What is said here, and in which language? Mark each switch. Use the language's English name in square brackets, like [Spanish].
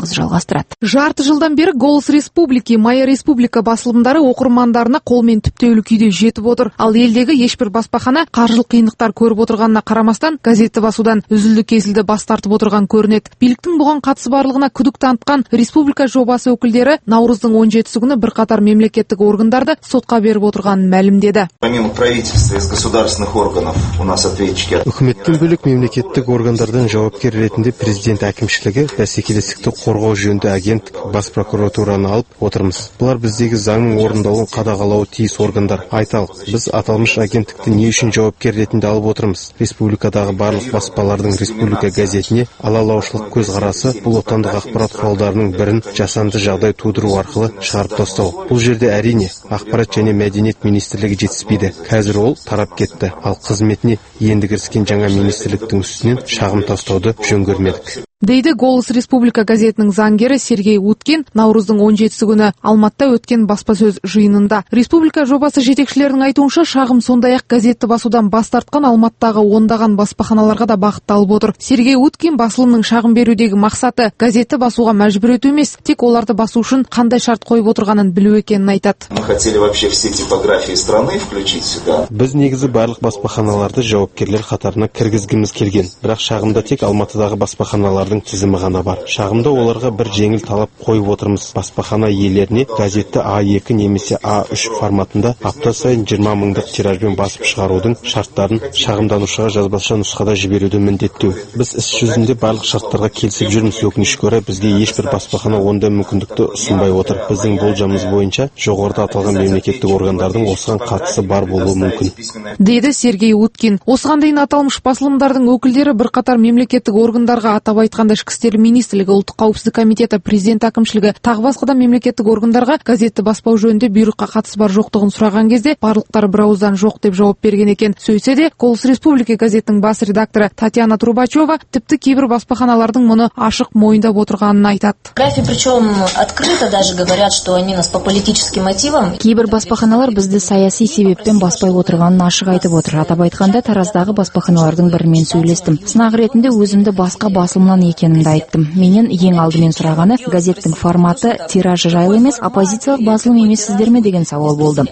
[Kazakh] Жарты жылдан бері «Голос республики», «Моя республика» басылымдары оқырмандарына қолмен түптеулі күйде жетіп отыр. Ал елдегі ешбір баспахана қаржылық қиындықтар көріп отырғанына қарамастан газетті басудан үзілді-кесілді бас тартып отырған көрінеді. Биліктің бұған қатысы барлығына күдік танытқан республика жобасы өкілдері наурыздың 17-сі күні бірқатар мемлекеттік органдарды сотқа беріп отырғанын мәлімдеді. [Russian] Помимо правительства из государственных органов у нас ответчики. [Kazakh] Үкіметтен бөлек мемлекеттік органдардан жауапкер ретінде президент әкімшілігі бәсекелестікті қорғау жөнді агент бас прокуратураны алып отырмыз. Бұлар біздегі заңның орындалуын қадағалауы тиіс органдар. Айталық, біз аталмыш агенттікті не үшін жауапкер ретінде алып отырмыз? Республикадағы барлық баспалардың республика газетіне алалаушылық көзқарасы бұл отандық ақпарат құралдарының бірін жасанды жағдай тудыру арқылы шығарып тастау. Бұл жерде әрине ақпарат және мәдениет министрлігі жетіспейді. Қазір ол тарап кетті. Ал қызметіне енді кіріскен жаңа министрліктің үстінен шағым тастауды жөн көрмедік. Дейді «Голос республика» газетінің заңгері Сергей Уткин наурыздың 17-сі күні Алматыда өткен баспасөз жиынында. Республика жобасы жетекшілерінің айтуынша шағым сондай-ақ газетті басудан бас тартқан Алматыдағы ондаған баспаханаларға да бағытталып отыр. Сергей Уткин басылымның шағым берудегі мақсаты газетті басуға мәжбүр ету емес, тек оларды басу үшін қандай шарт қойып отырғанын білу екенін айтады. [Russian] Мы хотели вообще все типографии страны включить сюда. [Kazakh] Біз негізі барлық баспаханаларды жауапкерлер қатарына кіргізгіміз келген, бірақ шағымда тек Алматыдағы баспаханалар дың тізімі ғана бар. Шағымда оларға бір жеңіл талап қойып отырмыз. Баспахана иелеріне газетті А2 немесе А3 форматында апта сайын 20 мыңдық тиражбен басып шығарудың шарттарын шағымданушыға жазбаша нұсқада жіберуді міндеттеу. Біз іс жүзінде барлық шарттарға келісіп жүрміз. Өкінішке орай бізге ешбір баспахана ондай мүмкіндікті ұсынбай отыр. Біздің болжамымыз бойынша жоғарыда аталған мемлекеттік органдардың осыған қатысы бар болуы мүмкін. Деді Сергей Уткин. Осыған дейін аталмыш басылымдардың өкілдері бірқатар мемлекеттік органдарға атап айтқанда Ішкі істер министрлігі, Ұлттық қауіпсіздік комитеті, президент әкімшілігі, тағы басқа мемлекеттік органдарға газетті баспау жөнінде бұйрыққа қатысы бар жоқтығын сұраған кезде барлықтары бірауыздан жоқ деп жауап берген екен. Сөйтсе де «Голос республики» газетінің бас редакторы Татьяна Трубачева тіпті кейбір баспаханалардың мұны ашық мойындап отырғанын айтады. [Russian] Графи причем открыто даже говорят, что они нас по политическим мотивам. [Kazakh] Кейбір баспаханалар бізді саяси себеппен баспай отырғанын ашық айтып отыр. Атап айтқанда Тараздағы баспаханалардың бірімен сөйлестім. Сынақ ретінде өзімді басқа баспа Сылман екенімді айттым. Менен ең алдымен сұрағаны газеттің форматы тиражы жайлы емес, оппозициялық басылым емессіздер ме деген сауал болды.